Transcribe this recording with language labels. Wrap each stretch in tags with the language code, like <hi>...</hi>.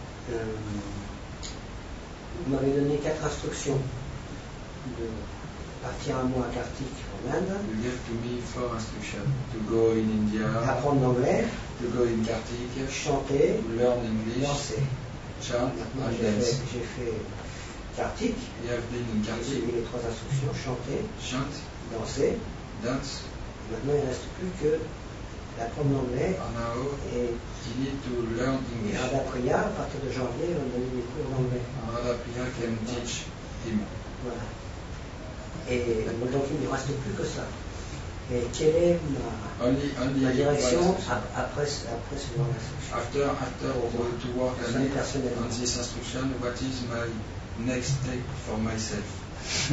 <fr>Vous m'avez donné quatre instructions de partir un mois à Kartik en Inde.</fr> <en>You gave to me four instructions to go in India.</en> <fr>Apprendre l'anglais.</fr> <en>To go in Kartik.</en> <fr>Chanter.</fr> <en>Learn English.</en> <fr>Danser.</fr> <en>Chant.</en> <fr>J'ai fait Kartik.</fr> <en>You have been in Kartik.</en> <fr>J'ai mis les trois instructions. Chanter.</fr> <en>Chant.</en> <fr>Danser.</fr> <en>Dance.</en> <fr>Et maintenant, il ne reste plus que d'apprendre l'anglais.</fr> <en>You need to learn English.</en> <fr>Et Radha Priya, à partir de janvier, on donne des cours d'anglais.</fr> <en>Radha Priya can teach him.</en> <fr>Voilà. Et donc il ne reste plus que ça. Et quelle est ma direction après ce genre d'instruction?</fr> <en>After to work on it,</en> <fr>personnellement.</fr> <en>On this instruction, what is my next step for myself?</en>